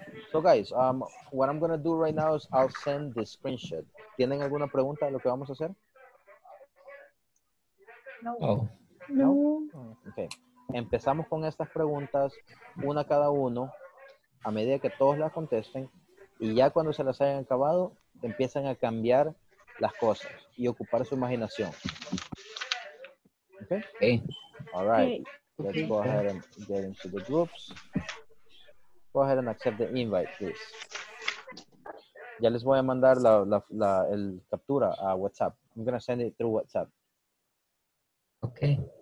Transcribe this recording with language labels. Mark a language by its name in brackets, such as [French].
[English] So guys, what I'm going to do right now is I'll send the screenshot. [Spanish] ¿Tienen alguna pregunta de lo que vamos a hacer? No. Oh. No. [English] Okay. [Spanish] Empezamos con estas preguntas, una cada uno, a medida que todos las contesten, y ya cuando se las hayan acabado, empiezan a cambiar las cosas y ocupar su imaginación. [English] Okay? Okay. All right. Okay. Let's go ahead and get into the groups. Go ahead and accept the invite, please. [Spanish] Ya les voy a mandar la captura a WhatsApp. [English] I'm going to send it through WhatsApp. Okay.